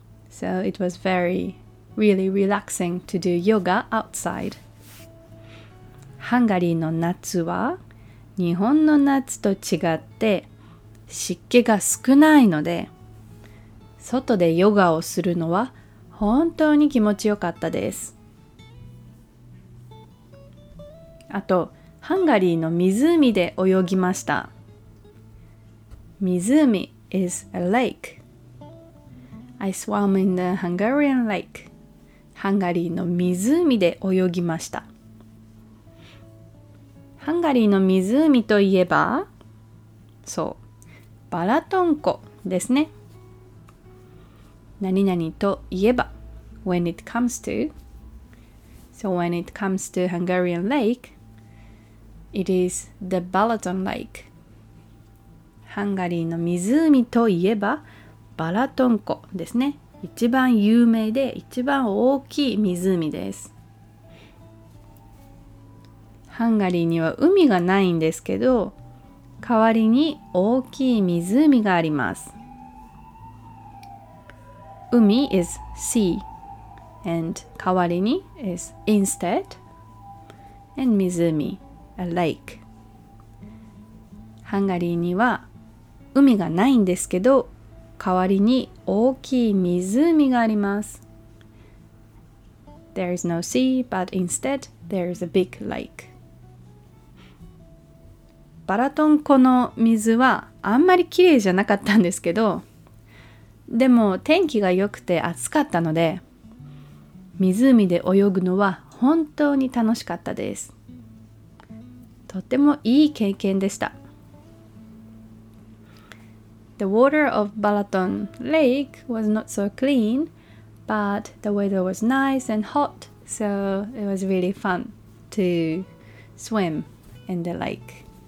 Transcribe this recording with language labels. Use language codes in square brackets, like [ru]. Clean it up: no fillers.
[en] So, it was very, really relaxing to do yoga outside. [ja] ハンガリーの夏は日本の夏と違って湿気が少ないので、外でヨガをするのは本当に気持ちよかったです。あと、ハンガリーの湖で泳ぎました。 [en] 湖 is a lake. I swam in the Hungarian lake. [ja] ハンガリーの湖で泳ぎました。ハンガリーの湖といえば、そう、バラトン湖ですね。何々といえば、 [en] when it comes to. So when it comes to Hungarian lake, it is the Balaton Lake. [ja] ハンガリーの湖といえばバラトン湖ですね。一番有名で一番大きい湖です。ハンガリーには海がないんですけど、代わりに大きい湖があります。 [en] 海 is sea, and 代わりに is instead, and 湖 a lake. [ja] ハンガリーには海がないんですけど、代わりに大きい湖があります。 [en] There is no sea, but instead there is a big lake. [ja] バラトン湖の水はあんまりきれいじゃなかったんですけど、でも天気が良くて暑かったので、湖で泳ぐのは本当に楽しかったです。とてもいい経験でした。 [en] The water of Balaton Lake was not so clean, but the weather was nice and hot, so it was really fun to swim in the lake.